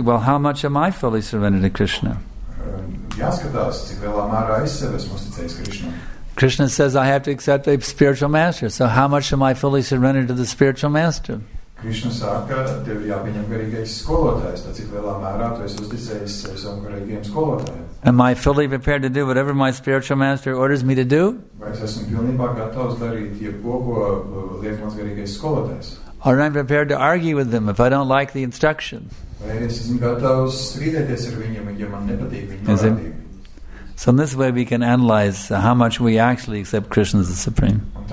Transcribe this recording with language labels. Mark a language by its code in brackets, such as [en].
[en] Well, how much am I fully surrendered to Krishna? [lv] Jāskatās, cik lielā mērā es sevi esmu uzticējis Krishna. [en] Krishna says I have to accept a spiritual master. So how much am I fully surrendered to the spiritual master? [lv] Krishna saka, tev jāpieņem garīgais skolotājs, tad cik lielā mērā tu esi uzticējis savam garīgajam skolotājam. [en] Am I fully prepared to do whatever my spiritual master orders me to do? [lv] Vai es esmu pilnībā gatavs darīt jebko, ko liek mans garīgais skolotājs? [en] Or am I prepared to argue with them if I don't like the instruction? [lv] Vai es esmu gatavs strīdēties ar viņiem, ja man nepatīk viņa norādījumi? [en] So in this way we can analyze how much we actually accept Krishna as the Supreme.